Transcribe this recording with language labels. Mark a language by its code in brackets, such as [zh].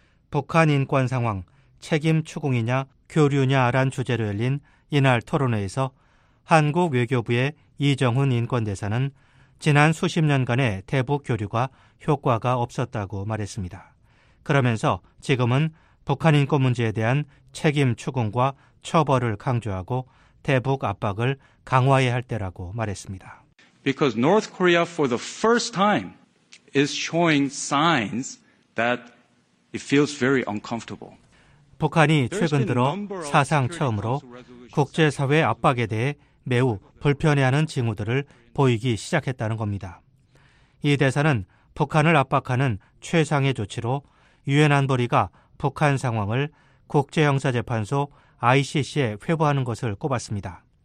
[ko] 북한 인권 상황, 책임 추궁이냐 교류냐란 주제로 열린 이날 토론회에서 한국 외교부의 이정훈 인권대사는 지난 수십 년간의 대북 교류가 효과가 없었다고 말했습니다. 그러면서 지금은 북한 인권 문제에 대한 책임 추궁과 처벌을 강조하고 대북 압박을 강화해야 할 때라고 말했습니다. [en] Because North Korea for the first time is showing signs that it feels very uncomfortable. [ko] 북한이 최근 들어 사상 처음으로 국제사회 압박에 대해 매우 불편해하는 징후들을 보이기 시작했다는 겁니다. 이 대사는 북한을 압박하는 최상의 조치로 유엔 안보리가 북한 상황을 국제형사재판소 ICC에 회부하는 것을 꼽았습니다.